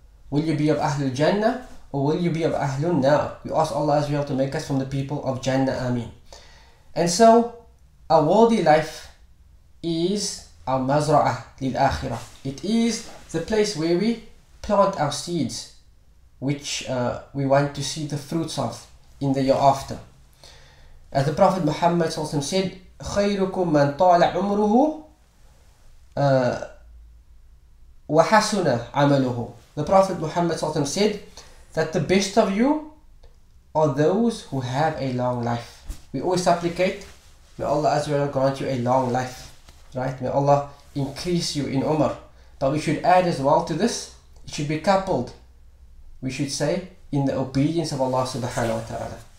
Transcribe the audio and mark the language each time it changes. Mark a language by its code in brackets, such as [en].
[en] Will you be of Ahlul Jannah or will you be of Ahlul Naar? We ask Allah Azza wa Jal to make us from the people of Jannah. Ameen. And so, A worldly life is our [ar] mazra'a lil akhirah. [en] It is the place where we plant our seeds, which we want to see the fruits of in the year after. As the Prophet Muhammad said, [ar] خَيْرُكُمْ مَنْ طَالَ عُمْرُهُ وَحَسُنَ عَمَلُهُ. [en] The Prophet Muhammad said that the best of you are those who have a long life. We always supplicate, may Allah Azza wa Jalla grant you a long life, right? May Allah increase you in umr. But we should add as well to this, it should be coupled, we should say, in the obedience of Allah subhanahu wa ta'ala.